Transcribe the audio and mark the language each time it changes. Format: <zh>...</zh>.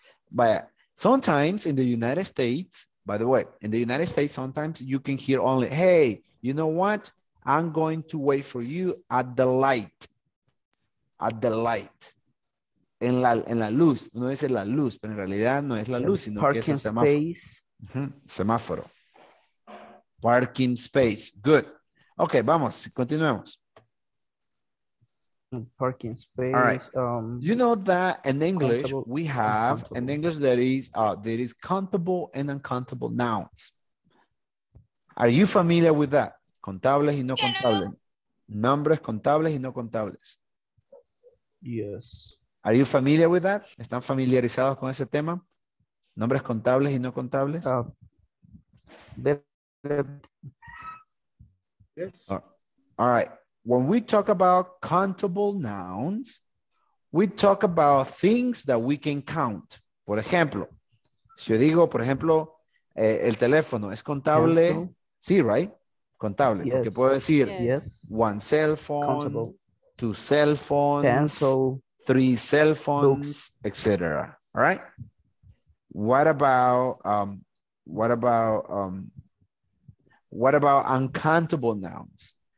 <en>But sometimes in the United States, by the way, in the United States, sometimes you can hear only, hey, you know what? I'm going to wait for you at the light. At the light.</en> <es>En la luz. No dice la luz, pero en realidad no es la luz, sino parking que es el semáforo.</es> <en>Space. Uh-huh. Semáforo. Parking space. Good.</en> <es>Ok, vamos. Continuemos.</es> <en>Parking space. All right. You know that in English, countable, we have in English there is countable and uncountable nouns. Are you familiar with that?</en> <es>Contables y no contables.</es> <en>Nombres contables y no contables. Yes. Are you familiar with that?</en> <es>¿Están familiarizados con ese tema? Nombres contables y no contables.</es> <en>Yes. All right. When we talk about countable nouns, we talk about things that we can count.</en> <es>Por ejemplo, si yo digo, por ejemplo, el teléfono es contable. Yes. Sí, right? Contable. Yes. Porque puedo decir</es> <en>yes. One cell phone. Countable. Two cell phones, pencil, three cell phones, etc. All right. What about uncountable nouns?</en>